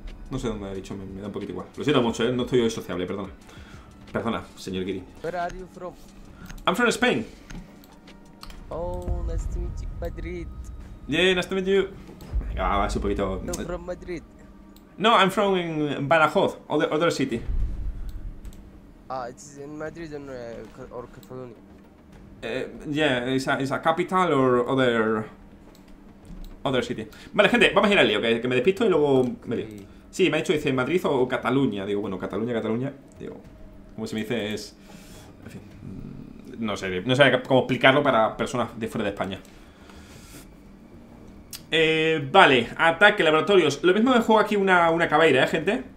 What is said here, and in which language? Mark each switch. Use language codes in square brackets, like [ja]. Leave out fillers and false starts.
[es] No sé dónde ha dicho, me da un poquito igual. Lo siento mucho, no estoy hoy sociable, perdona. Perdona, señor Giri. [en] Where are you from? I'm from Spain. Oh, nice to meet you, Madrid. Yeah, nice to meet you. [es] Ah, va, es un poquito... [en] No, from Madrid. No, I'm from in Badajoz, other city. Ah, it's in Madrid and, or Catalonia. Yeah, it's a capital or other city. [es] Vale, gente, vamos a ir al lío, que me despisto y luego me lío. Sí, me ha dicho, dice, Madrid o Cataluña. Digo, bueno, Cataluña. Digo, como se me dice, es... En fin, no sé cómo explicarlo para personas de fuera de España. Vale, ataque, laboratorios. Lo mismo me juego aquí una cabeira, gente.